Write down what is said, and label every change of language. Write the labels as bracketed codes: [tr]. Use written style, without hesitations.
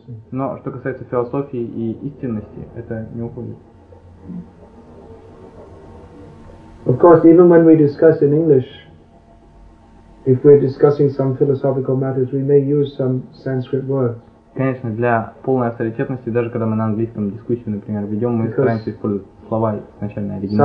[ru] Но что касается философии и истинности, это не уходит. [en] Of course, even when we discuss in English, if we're discussing some philosophical matters, we may use some Sanskrit words. [ru] Конечно, для полной авторитетности, даже когда мы на английском дискуссию, например, ведем, мы стараемся использовать слова изначально